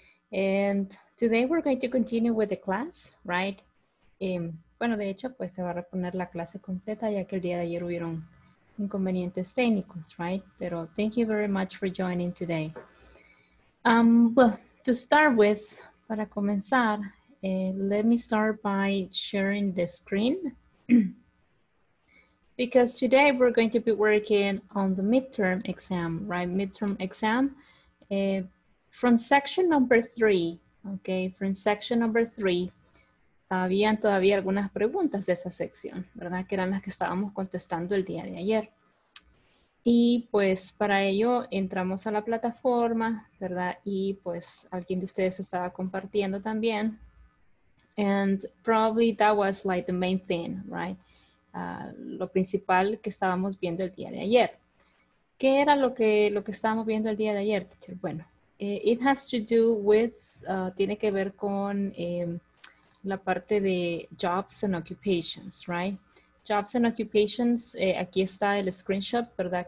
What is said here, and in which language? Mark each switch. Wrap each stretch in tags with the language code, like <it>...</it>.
<en>And today we're going to continue with the class, right?</en> <es>Bueno, de hecho, pues se va a reponer la clase completa ya que el día de ayer hubieron inconvenientes técnicos, right? Pero</es> <en>thank you very much for joining today. Well, to start with,</en> <es>para comenzar,</es> <en>let me start by sharing the screen. Because today we're going to be working on the midterm exam, right? Midterm exam from section number three, okay? From section number three,</en> <es>habían todavía algunas preguntas de esa sección, ¿verdad? Que eran las que estábamos contestando el día de ayer. Y pues para ello entramos a la plataforma, ¿verdad? Y pues alguien de ustedes estaba compartiendo también.</es> <en>And probably that was like the main thing, right?</en> <es>Lo principal que estábamos viendo el día de ayer. ¿Qué era lo que estábamos viendo el día de ayer, teacher? Bueno,</es> <en>it has to do with,</en> <es>tiene que ver con la parte de</es> <en>jobs and occupations, right? Jobs and occupations,</en> <es>aquí está el screenshot, ¿verdad?</es>